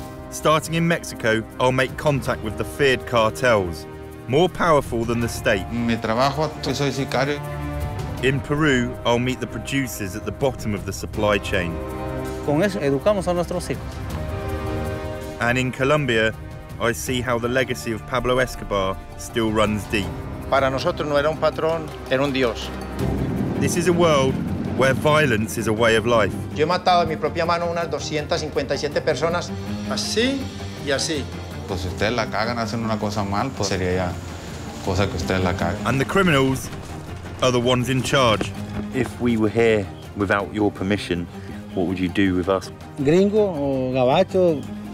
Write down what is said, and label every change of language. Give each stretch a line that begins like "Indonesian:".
English: Starting in Mexico, I'll make contact with the feared cartels, more powerful than the state.
Spanish: Mi trabajo, yo soy sicario.
English: In Peru, I'll meet the producers at the bottom of the supply chain.
Spanish: Con eso educamos a nuestros hijos.
English: And in Colombia, I see how the legacy of Pablo Escobar still runs deep.
Spanish: Para nosotros no era un patrón, era un dios.
English: This is a world where violence is a way of life.
Spanish: Yo he matado en mi propia mano unas 257 personas, así y así. Pues si ustedes la cagan haciendo una cosa mal, pues sería ya cosa que ustedes la cagan.
English: And the criminals are the ones in charge. If we were here without your permission, what would you do with us?
Spanish: Gringo o gabacho.